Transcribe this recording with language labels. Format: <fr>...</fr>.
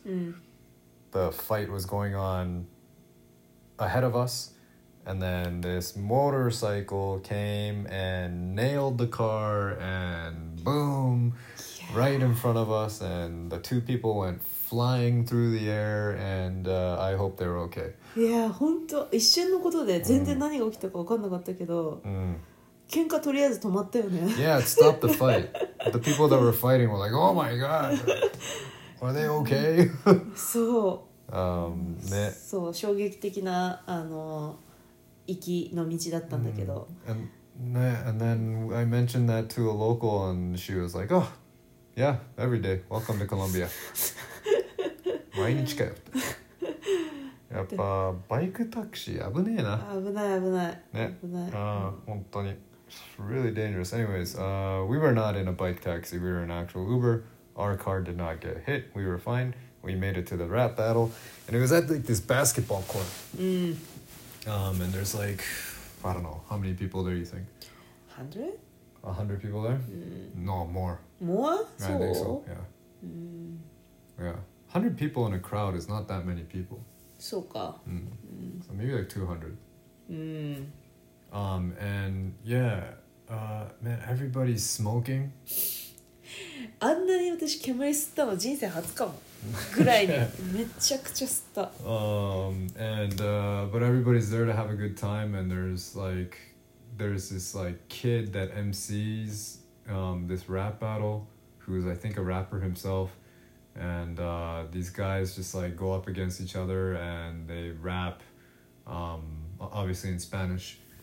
<en>The fight was going on ahead of us. And then this motorcycle came and nailed the car and boom, yeah. Right in front of us. And the two people went flying through the air and I hope they're okay.</en> <ja>Yeah, 本当一瞬のことで全然何が起きたか分かんなかったけど、喧嘩とりあえず止まったよね。</ja> <en>Yeah, it stopped the fight. The people that were fighting were like, oh my god, are they okay?</en> <ja>そう。ね。そう、衝撃的な、行きの道だったんだけど、</ja> <en>and then I mentioned that to a local and she was like, oh, yeah, every day, welcome to Colombia.</en> <ja>毎日かよ。やっぱバイクタクシー危ねえな。危ない危ない。ね。危ない。本当に。</ja> <en>Really dangerous. Anyways, we were not in a bike taxi. We were in an actual Uber. Our car did not get hit. We were fine. We made it to the rap battle, and it was at like this basketball court. And there's like, I don't know, how many people there you think? 100? 100 people there? No, more. More? Yeah, I think so, yeah. Yeah. 100 people in a crowd is not that many people. So か. So maybe like 200. And yeah, man, everybody's smoking.</en> <ja>あんなに私煙吸ったの人生初かも。ぐらいにめちゃくちゃ吸った。</ja> <en>But everybody's there to have a good time and there's like there's this like kid that MCs this rap battle, who's I think a rapper himself, and these guys just like go up against each other and they rap, obviously in Spanish.</en>